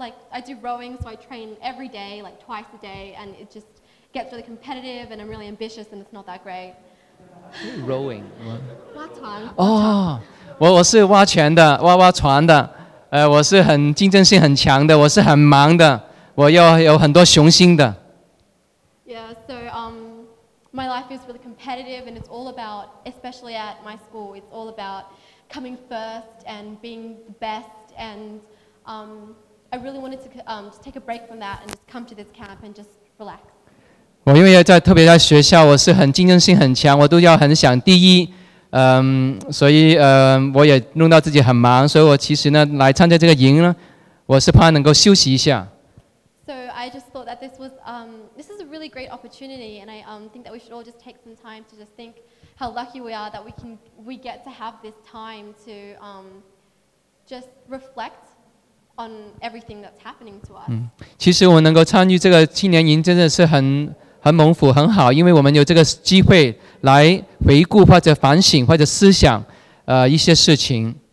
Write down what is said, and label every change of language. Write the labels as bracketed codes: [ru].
[en] I do rowing, so I train every day, like twice a day, and it just gets really competitive, and I'm really ambitious, and it's not that great. Rowing. [zh] 划船。哦，我是划拳的，划船的，我是很竞争性很强的，我是很忙的，我要有很多雄心的。 [en] Yeah, so my life is really competitive, and it's all about, especially at my school, it's all about coming first and being the best, and I really wanted to just take a break from that and just come to this camp and just relax. [zh] 我因为在特别在学校，我是很竞争性很强，我都要很想第一，所以我也弄到自己很忙，所以我其实呢来参加这个营呢，我是怕能够休息一下。 [en] So I just thought that this is a really great opportunity, and I think that we should all just take some time to just think how lucky we are that we get to have this time to just reflect. On everything that's happening to us. [zh] 其实我能够参与这个青年营真的是很蒙福，很好，因为我们有这个机会来回顾或者反省或者思想，一些事情。